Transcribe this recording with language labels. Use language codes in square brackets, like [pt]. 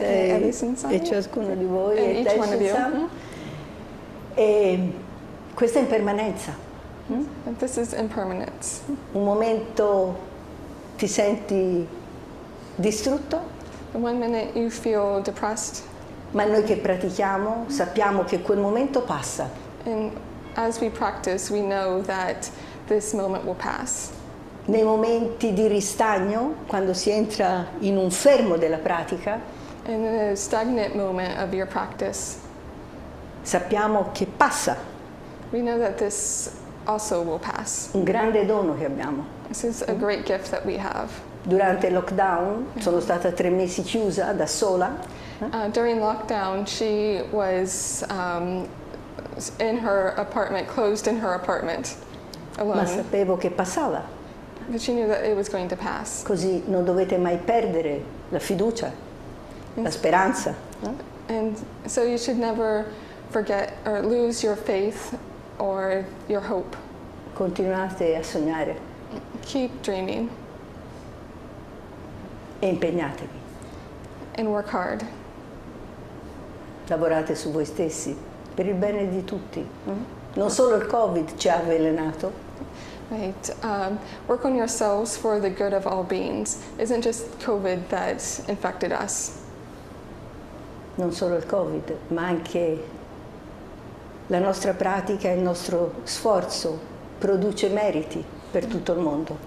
[it] e Alison-san. E ciascuno di voi. [en] And each one of you. [it] E questa è impermanenza. [en] And this is impermanence. [it] Un momento ti senti distrutto. [en] One minute you feel depressed. [it] Ma noi che pratichiamo sappiamo che quel momento passa. [en] And as we practice, we know that this moment will pass. [it] Nei momenti di ristagno, quando si entra in un fermo della pratica, [en] in a stagnant moment of your practice, [it] sappiamo che passa. [en] We know that this also will pass. [it] Un grande dono che abbiamo. [en] This is a great gift that we have. [it] Durante il lockdown sono stata 3 mesi chiusa da sola. [en] During lockdown she was in her apartment, closed in her apartment alone. [it] Ma sapevo che passava. [en] But she knew that it was going to pass. [it] Così non dovete mai perdere la fiducia, la speranza. [en] And so you should never forget or lose your faith or your hope. [it] Continuate a sognare. [en] Keep dreaming. [it] E impegnatevi. [en] And work hard. [it] Lavorate su voi stessi per il bene di tutti. Non solo il Covid ci ha avvelenato. [en] Right. Work on yourselves for the good of all beings. Isn't just Covid that infected us. [it] Non solo il Covid, ma anche la nostra pratica e il nostro sforzo produce meriti per tutto il mondo.